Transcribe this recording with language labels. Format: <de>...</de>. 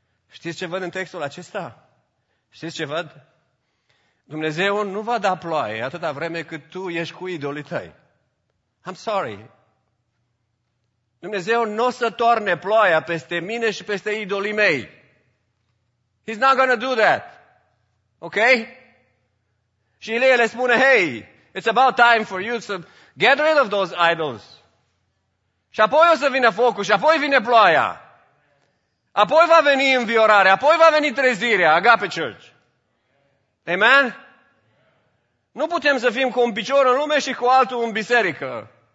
<ro>Știți ce văd în textul acesta? Știți ce văd? Dumnezeu nu va da ploaie atâta vreme cât tu ești cu idolii tăi.</ro> <en>I'm sorry.</en> <ro>Dumnezeu nu o să toarne ploaia peste mine și peste idolii mei.</ro> <en>He's not gonna do that. Ok?</en> <ro>Și Ilie le spune,</ro> <en>hey, it's about time for you to get rid of those idols.</en> <ro>Și apoi o să vină focul și apoi vine ploaia. Apoi va veni înviorarea, apoi va veni trezirea, Agape Church. Amen? Nu putem să fim cu un picior în lume și cu altul în biserică.</ro>